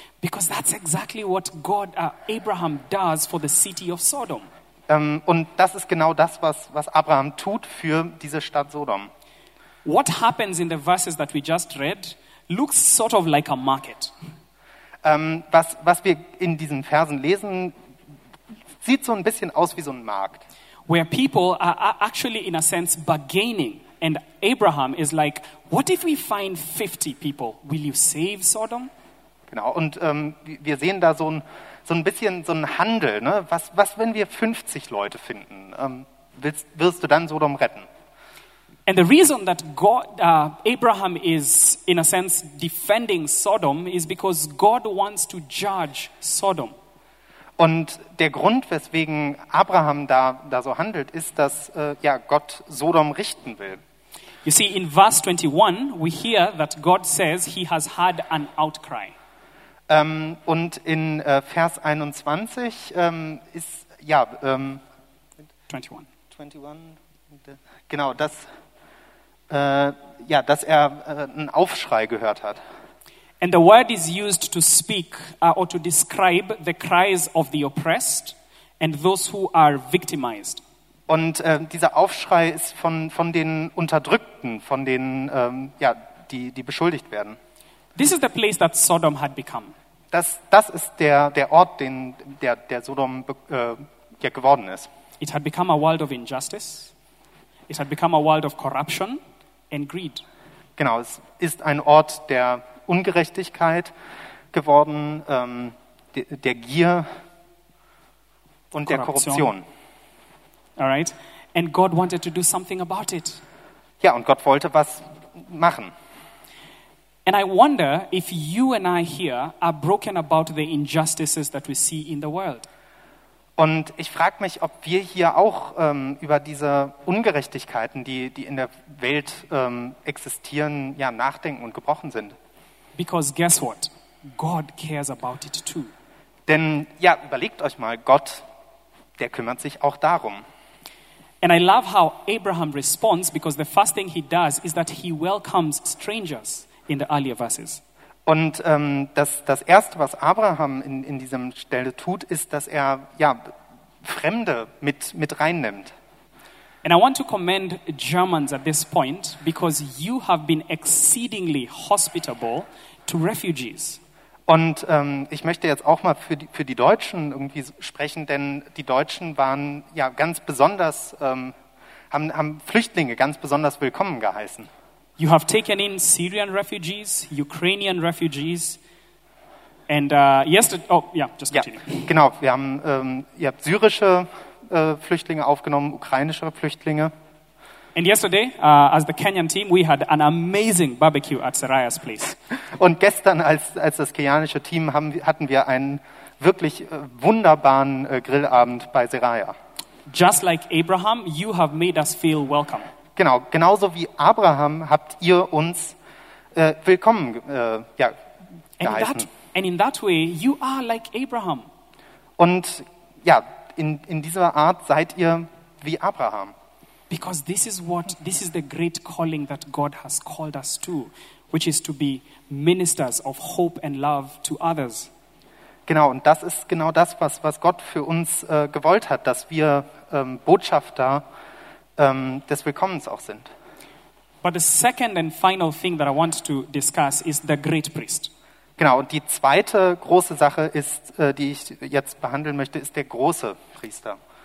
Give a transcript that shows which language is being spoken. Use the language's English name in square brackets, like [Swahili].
[English] Because that's exactly what God Abraham does for the city of Sodom. [German] Und das ist genau das, was Abraham tut für diese Stadt Sodom. [English] What happens in the verses that we just read looks sort of like a market. [German] Was wir in diesen Versen lesen, sieht so ein bisschen aus wie so ein Markt. [English] Where people are actually in a sense bargaining, and Abraham is like, what if we find 50 people? Will you save Sodom? [German] Genau, und wir sehen da so ein bisschen so ein Handel, ne? Was wenn wir 50 Leute finden? Wirst du dann Sodom retten? [English] And the reason that God, Abraham is in a sense defending Sodom is because God wants to judge Sodom. [German] Und der Grund, weswegen Abraham da so handelt, ist, dass Gott Sodom richten will. [English] You see, in verse 21 we hear that God says he has had an outcry. [German] Und in Vers 21 ist ja 21 genau das. Dass er einen Aufschrei gehört hat. [English] And the word is used to speak or to describe the cries of the oppressed and those who are victimized. [German] Und dieser Aufschrei ist von den Unterdrückten, von denen die beschuldigt werden. [English] This is the place that Sodom had become. [German] Das ist der Ort, der Sodom geworden ist. [English] It had become a world of injustice. It had become a world of corruption. And greed. [German] Genau, es ist ein Ort der Ungerechtigkeit geworden, der Gier und der Korruption. [English] All right. And God wanted to do something about it. [German] Ja, und Gott wollte was machen. [English] And I wonder if you and I here are broken about the injustices that we see in the world. [German] Und ich frage mich, ob wir hier auch über diese Ungerechtigkeiten, die in der Welt existieren, ja, nachdenken und gebrochen sind. [English] Because guess what? God cares about it too. [German] Denn, ja, überlegt euch mal, Gott, der kümmert sich auch darum. [English] And I love how Abraham responds, because the first thing he does is that he welcomes strangers in the earlier verses. [German] Und das Erste, was Abraham in diesem Stelle tut, ist, dass er Fremde mit reinnimmt. [English] And I want to commend Germans at this point, because you have been exceedingly hospitable to refugees. [German] Und ich möchte jetzt auch mal für die Deutschen irgendwie sprechen, denn die Deutschen waren ja ganz besonders, haben Flüchtlinge ganz besonders willkommen geheißen. [English] You have taken in Syrian refugees, Ukrainian refugees, and yesterday, oh yeah, just continue. [German] Ja, genau, wir haben, ihr habt syrische Flüchtlinge aufgenommen, ukrainische Flüchtlinge. [English] And yesterday, as the Kenyan team, we had an amazing barbecue at Saraya's place. [German] Und gestern als das kenianische Team hatten wir einen wirklich wunderbaren Grillabend bei Saraya. [English] Just like Abraham, you have made us feel welcome. [German] Genau, genauso wie Abraham habt ihr uns willkommen geheißen. [English] And in that way, you are like Abraham. [German] Und ja, in dieser Art seid ihr wie Abraham. [English] Because this is the great calling that God has called us to, which is to be ministers of hope and love to others. [German] Genau, und das ist genau das, was Gott für uns gewollt hat, dass wir Botschafter des Willkommens auch sind. [English] But the second and final thing that I want to discuss is the great priest. [German] Genau, und die zweite große Sache ist, die ich jetzt behandeln möchte, ist der große Priester.